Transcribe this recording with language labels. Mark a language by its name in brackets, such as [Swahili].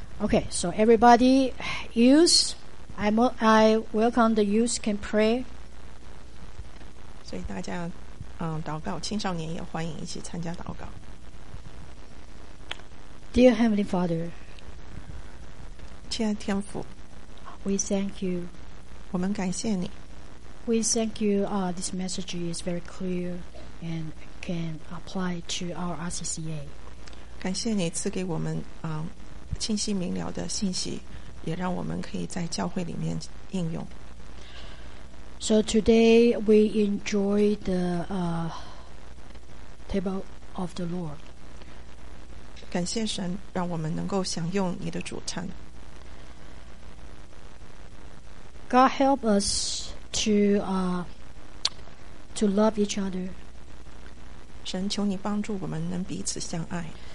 [English] Okay, so everybody, youth, I welcome the youth can pray. [Chinese] 所以大家祷告，青少年也欢迎一起参加祷告。 [English] Dear Heavenly Father, [Chinese] 亲爱的天父， [English] We thank you. [Chinese] 我们感谢你。 [English] We thank you, this message is very clear and can apply to our RCCA. [Chinese] 感谢你赐给我们清晰明了的信息，也让我们可以在教会里面应用。 [English] So today we enjoy the table of the Lord. [Chinese] 感谢神，让我们能够享用你的主餐。 [English] God help us to love each other. [Chinese] 神求你帮助我们能彼此相爱。